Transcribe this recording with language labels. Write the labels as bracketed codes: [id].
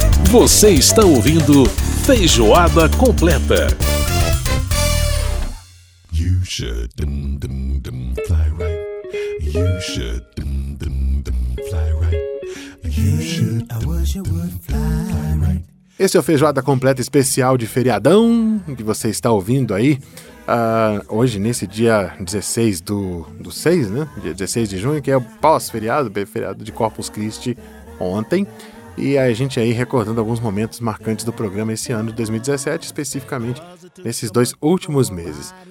[pt] Você está ouvindo Feijoada Completa. [en] You should dum, dum, dum, fly right. You should dum, dum, dum, fly right. You should dum, dum, dum, fly right. [pt] Esse é o Feijoada Completa especial de feriadão que você está ouvindo aí. Hoje, nesse dia 16 do 6, né? Dia 16 de junho, que é o pós-feriado, feriado de Corpus Christi ontem. E a gente aí recordando alguns momentos marcantes do programa esse ano de 2017, especificamente nesses dois últimos meses.